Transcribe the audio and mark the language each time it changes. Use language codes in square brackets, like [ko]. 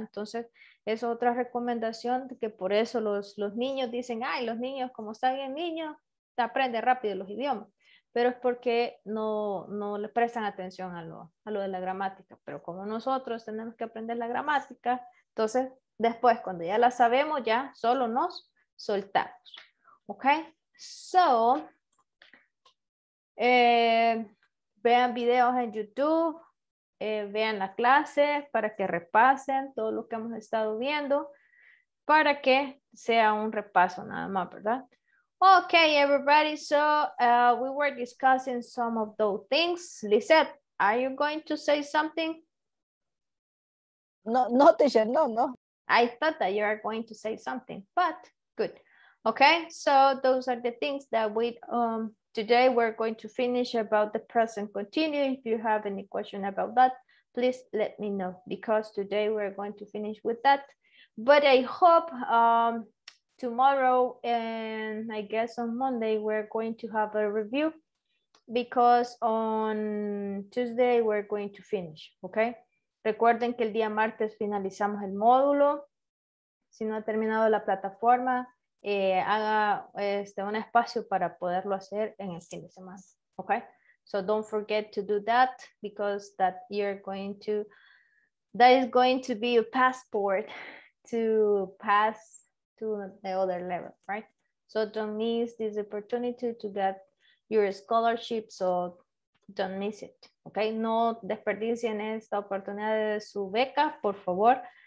[es] Entonces, es otra recomendación que por eso los niños dicen, ay, los niños, como está bien niño, aprende rápido los idiomas, pero es porque no le prestan atención a lo de la gramática, pero como nosotros tenemos que aprender la gramática, entonces después, cuando ya la sabemos, ya solo nos soltamos, ¿ok? So, vean videos en YouTube, vean la clase para que repasen todo lo que hemos estado viendo para que sea un repaso nada más, ¿verdad? [en] Okay, everybody, so we were discussing some of those things. Lizette, are you going to say something? No, teacher, no. I thought that you are going to say something, but good. Okay, so those are the things that we... Today we're going to finish about the present continuous. If you have any question about that, please let me know, because today we're going to finish with that. But I hope tomorrow and I guess on Monday, we're going to have a review, because on Tuesday we're going to finish, okay? [es] Recuerden que el día martes finalizamos el módulo. Si no ha terminado la plataforma, haga un espacio para poderlo hacer en el fin de semana, okay? [en] So don't forget to do that, because that is going to be a passport to pass to the other level, right? So don't miss this opportunity to get your scholarship, so don't miss it, okay? [es] No desperdicien esta oportunidad de su beca, por favor.